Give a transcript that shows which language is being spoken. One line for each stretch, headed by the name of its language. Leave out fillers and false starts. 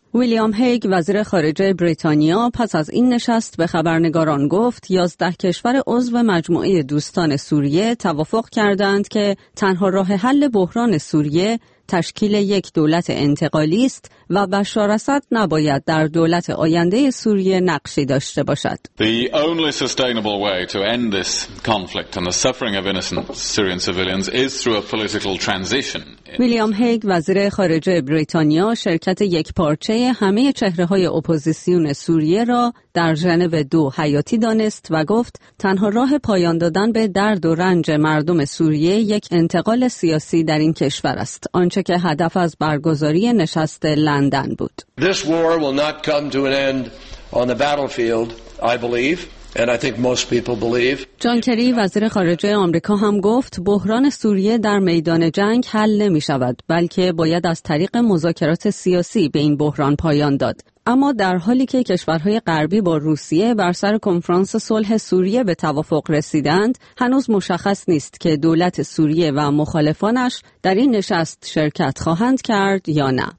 Persian: ویلیام هیگ وزیر خارجه بریتانیا پس از این نشست به خبرنگاران گفت 11 کشور عضو مجموعه دوستان سوریه توافق کردند که تنها راه حل بحران سوریه تشکیل یک دولت انتقالی است و بشار اسد نباید در دولت آینده سوریه نقشی داشته باشد.
English: The only sustainable way to end this conflict and the suffering of innocent Syrian civilians is through a political transition.
Persian: ویلیام هیگ وزیر خارجه بریتانیا شرکت یک پارچه همه چهره های اپوزیسیون سوریه را در ژنو دو حیاتی دانست و گفت تنها راه پایان دادن به درد و رنج مردم سوریه یک انتقال سیاسی در این کشور است، آنچه که هدف از برگزاری نشست لندن بود.
English: This war will not come to an end on the battlefield, I believe. And I think most people believe.
Persian: جان کری وزیر خارجه آمریکا هم گفت بحران سوریه در میدان جنگ حل نمی شود، بلکه باید از طریق مذاکرات سیاسی به این بحران پایان داد. اما در حالی که کشورهای غربی با روسیه بر سر کنفرانس صلح سوریه به توافق رسیدند، هنوز مشخص نیست که دولت سوریه و مخالفانش در این نشست شرکت خواهند کرد یا نه.